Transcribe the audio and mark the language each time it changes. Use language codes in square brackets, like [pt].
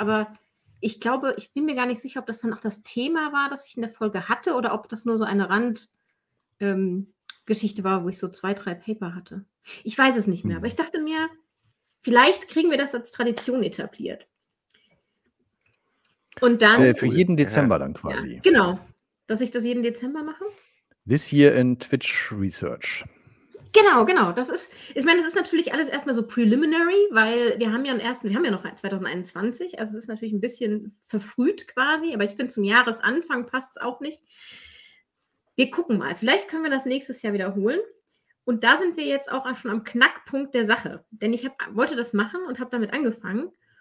[de] Aber ich glaube, ich bin mir gar nicht sicher, ob das dann auch das Thema war, das ich in der Folge hatte, oder ob das nur so eine Randgeschichte war, wo ich so 2, 3 Paper hatte. Ich weiß es nicht mehr. Aber ich dachte mir, vielleicht kriegen wir das als Tradition etabliert. Und dann für jeden Dezember dann quasi. Ja, genau, dass ich das jeden Dezember mache. [en] This year in Twitch Research. [de] Genau. Das ist, ich meine, das ist natürlich alles erstmal so preliminary, weil wir haben ja noch 2021, also es ist natürlich ein bisschen verfrüht quasi, aber ich finde, zum Jahresanfang passt es auch nicht. Wir gucken mal, vielleicht können wir das nächstes Jahr wiederholen. Und da sind wir jetzt auch schon am Knackpunkt der Sache, denn ich wollte das machen und habe damit angefangen.